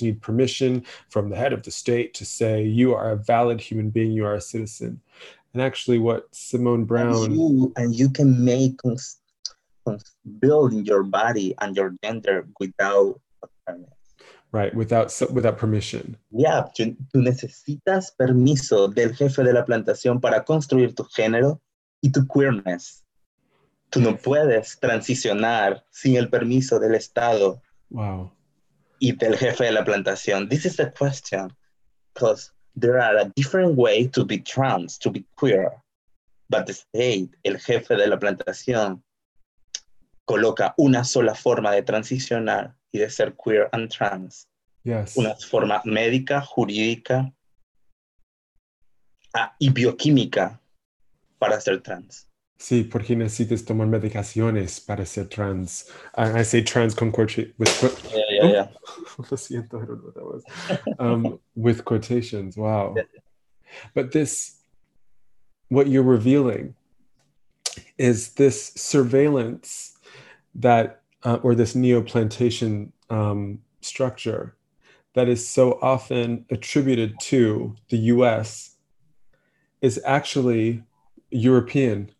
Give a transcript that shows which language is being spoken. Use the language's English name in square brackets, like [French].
[English] You need permission from the head of the state to say you are a valid human being, you are a citizen. And actually what Simone Brown... And you can make build in your body and your gender without a permit. Right, without permission. [Spanish] Yeah, tú necesitas permiso del jefe de la plantación para construir tu género y tu queerness. Tú no puedes transicionar sin el permiso del Estado. [English] Wow. [Spanish] Y del jefe de la plantación. [English] This is the question. Because there are a different way to be trans, to be queer. But the state, [Spanish] el jefe de la plantación, coloca una sola forma de transicionar y de ser queer [English] and trans. Yes. [Spanish] Una forma médica, jurídica y bioquímica para ser trans. Sí, porque necesitas tomar medicaciones para ser trans. [English] I say trans [Spanish] con [English] quotations. [Spanish] Lo siento, [English] I don't know what that was. with quotations, wow. But this, what you're revealing is this surveillance that, or this neo-plantation structure that is so often attributed to the US is actually European.